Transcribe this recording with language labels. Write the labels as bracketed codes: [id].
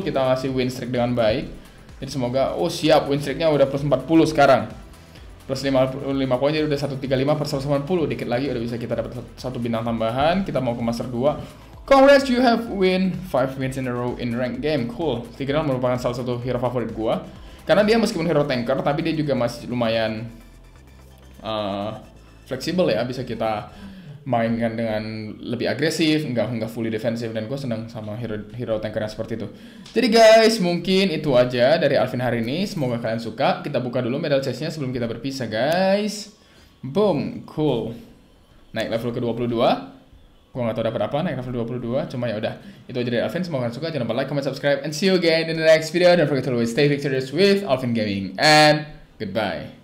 [id] Kita masih win streak dengan baik. Jadi semoga, oh siap, win streaknya udah plus 40 sekarang. Plus 55 poin, jadi udah 135 per 180. Dikit lagi udah bisa kita dapat satu bintang tambahan. Kita mau ke master 2. [en] Congrats, you have win 5 wins in a row in rank game. [id] Cool, Tigreal merupakan salah satu hero favorit gua. Karena dia meskipun hero tanker, tapi dia juga masih lumayan fleksibel ya. Bisa kita mainkan dengan lebih agresif, nggak fully defensive. Dan gue seneng sama hero tankernya seperti itu. Jadi guys, mungkin itu aja dari Alvin hari ini. Semoga kalian suka. Kita buka dulu medal chestnya sebelum kita berpisah, guys. Boom, cool. Naik level ke-22. Gue nggak tau dapat apa naik level 22, cuma ya udah itu aja dari Alvin. Semoga kalian suka, jangan lupa [en] like, comment, subscribe, and see you again in the next video. Don't forget to always stay victorious with Alvin Gaming, and goodbye.